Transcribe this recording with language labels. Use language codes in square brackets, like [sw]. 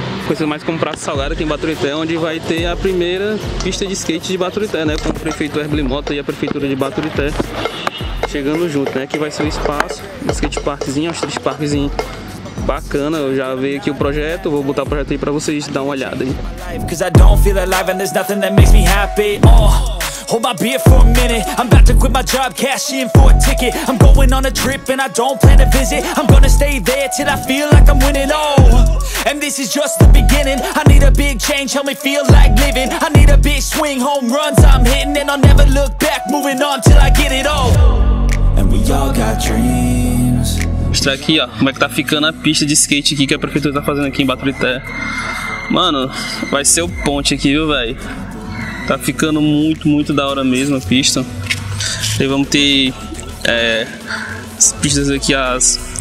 [pt] conhecido mais como Praça Salgada aqui em Baturité, onde vai ter a primeira pista de skate de Baturité, né? Com o prefeito Herblimota e a prefeitura de Baturité chegando junto, né? Aqui vai ser o espaço, um skate parkzinho, um street parkzinho bacana. Eu já vi aqui o projeto, vou botar o projeto aí pra vocês dar uma olhada aí. [en] Hold my beer for a minute. I'm about to quit my job, cash in for a ticket. I'm going on a trip and I don't plan to visit. I'm gonna stay there till I feel like I'm winning all. And this is just the beginning. I need a big change, help me feel like living. I need a big swing, home runs I'm hitting. And I'll never look back, moving on till I get it all. And we all got dreams. [pt] Está aqui, ó, como é que tá ficando a pista de skate aqui que a prefeitura tá fazendo aqui em Baturité. Mano, vai ser o ponte aqui, viu, velho? Tá ficando muito, muito da hora mesmo a pista. E vamos ter as pistas aqui, as...